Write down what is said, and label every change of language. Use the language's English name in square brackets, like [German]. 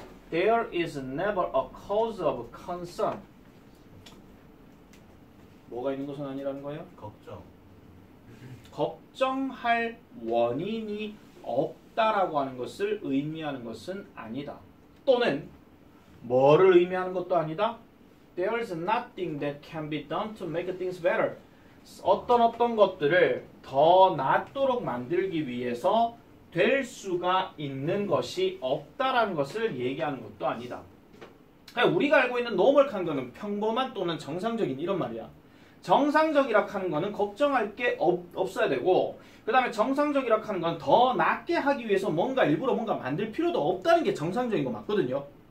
[English] There is never a cause of concern. [Korean] 뭐가 있는 것은 아니라는 거예요? 걱정. 걱정할 원인이 없다라고 하는 것을 의미하는 것은 아니다. 또는 뭐를 의미하는 것도 아니다? [English] There is nothing that can be done to make things better. [Korean] 어떤 것들을 더 낫도록 만들기 위해서 될 수가 있는 것이 없다라는 것을 얘기하는 것도 아니다. 우리가 알고 있는 노멀한 것은 평범한 또는 정상적인 이런 말이야. 정상적이라 하는 것은 걱정할 게 없어야 되고 그 다음에 정상적이라 하는 건 더 낫게 하기 위해서 뭔가 일부러 뭔가 만들 필요도 없다는 게 정상적인 거 맞거든요.